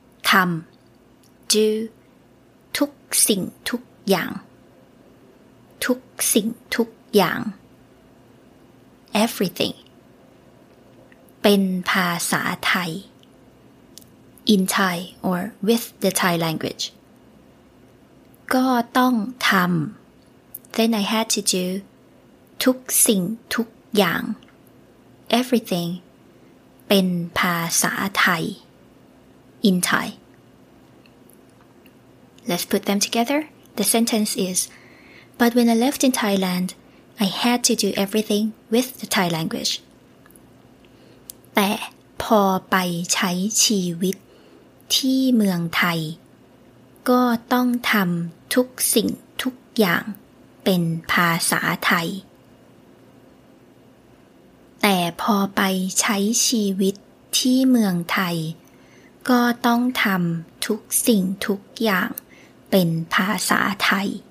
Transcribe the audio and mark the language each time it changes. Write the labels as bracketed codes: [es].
[th] ทำ do ทุกสิ่งทุกอย่างทุกสิ่งทุกอย่าง everything เป็นภาษาไทย [en] in Thai or with the Thai language [th] ก็ต้องทำ [en] then I had to do [th] ทุกสิ่งทุกอย่าง [en] everything [th] เป็นภาษาไทย [en] in Thai Let's put them together. The sentence is, But when I left in Thailand, I had to do everything with the Thai language. [th] แต่พอไปใช้ชีวิตที่เมืองไทยก็ต้องทำทุกสิ่งทุกอย่างเป็นภาษาไทยแต่พอไปใช้ชีวิตที่เมืองไทยก็ต้องทำทุกสิ่งทุกอย่างเป็นภาษาไทย